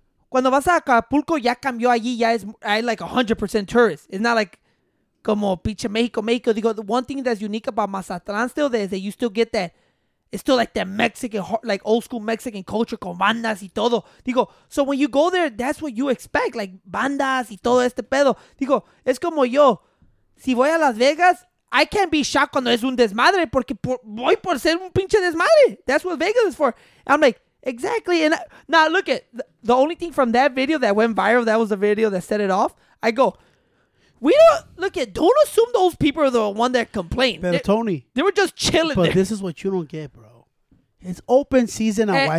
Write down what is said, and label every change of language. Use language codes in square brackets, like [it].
[es] Cuando vas a Acapulco, ya cambió allí, ya es [en] I like 100% tourist. It's not like [es] como pinche Mexico, Mexico. [en] Digo, the one thing that's unique about Mazatlán still is that you still get that, it's still like that Mexican, like old school Mexican culture [es] con bandas y todo. [en] Digo, so when you go there, that's what you expect, like [es] bandas y todo este pedo. Digo, es como yo, si voy a Las Vegas, [en] I can't be shocked [es] cuando es un desmadre porque voy por ser un pinche desmadre. [en] That's what Vegas is for. I'm like, exactly. And now look at the only thing from that video that went viral. That was the video that set it off. I go, we don't look at. Don't assume those people are the one that complained. But Tony, they were just chilling. But there. This is what you don't get, bro. It's open season of white